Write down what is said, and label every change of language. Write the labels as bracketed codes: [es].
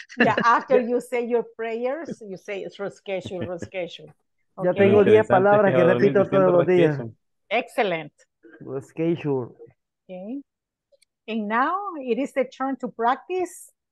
[en] Yeah, after you say your prayers, you say it's reschedule. Okay. [es] Ya tengo 10 palabras que repito todos los días. [en] Excellent. Reschedule. Okay. And now it is the turn to practice.